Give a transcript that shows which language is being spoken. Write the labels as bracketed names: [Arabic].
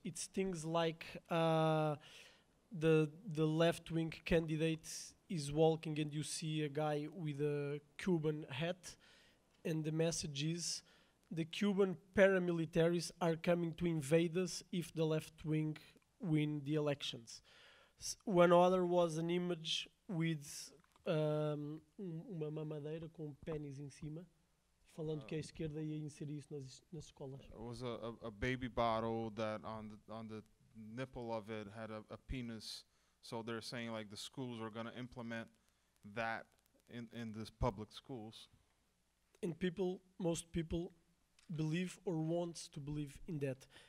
[English] It's things like the left wing candidate is walking, and you see a guy with a Cuban hat, and the message is the Cuban paramilitaries are coming to invade us if the left wing win the elections. One other was an image with. [Portuguese] Uma mamadeira com pênis em cima, falando que a esquerda ia inserir isso nas escolas. [English] It was a baby bottle that on the nipple of it had a penis, so they're saying like the schools are going to implement that in the public schools. And people, most people believe or want to believe in that.